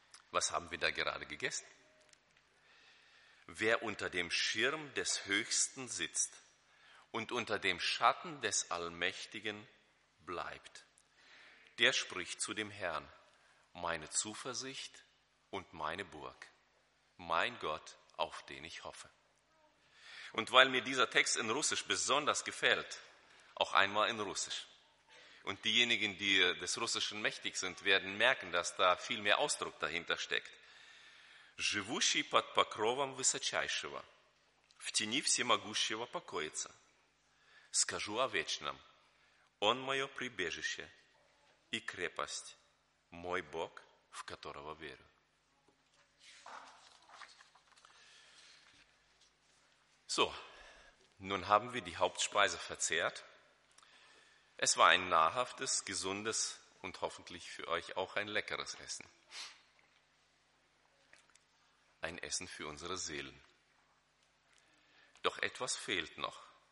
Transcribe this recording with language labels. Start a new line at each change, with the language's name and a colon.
German: Was haben wir da gerade gegessen? Wer unter dem Schirm des Höchsten sitzt und unter dem Schatten des Allmächtigen bleibt, der spricht zu dem Herrn, meine Zuversicht und meine Burg, mein Gott, auf den ich hoffe. Und weil mir dieser Text in Russisch besonders gefällt, auch einmal in Russisch. Und diejenigen, die des Russischen mächtig sind, werden merken, dass da viel mehr Ausdruck dahinter steckt.
Russian: Живущий под покровом высочайшего, в тени всемогущего покоится. Скажу о вечном, он мое прибежище и крепость, мой Бог, в которого верю.
German: So, nun haben wir die Hauptspeise verzehrt. Es war ein nahrhaftes, gesundes und hoffentlich für euch auch ein leckeres Essen. Ein Essen für unsere Seelen. Doch etwas fehlt noch.